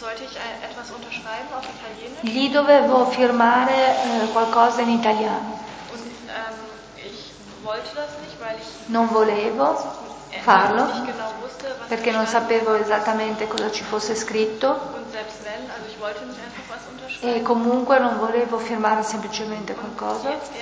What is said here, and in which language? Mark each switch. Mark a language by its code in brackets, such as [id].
[de] Sollte ich etwas unterschreiben auf Italienisch? [it] Lì dovevo firmare qualcosa in italiano. [de] Und ich wollte das nicht, weil ich. [it] Non volevo farlo. [de] Genau wusste, was [it] perché non sapevo esattamente cosa ci fosse scritto. [de] Und selbst wenn, also ich wollte nicht einfach was [it] e comunque non volevo firmare semplicemente qualcosa.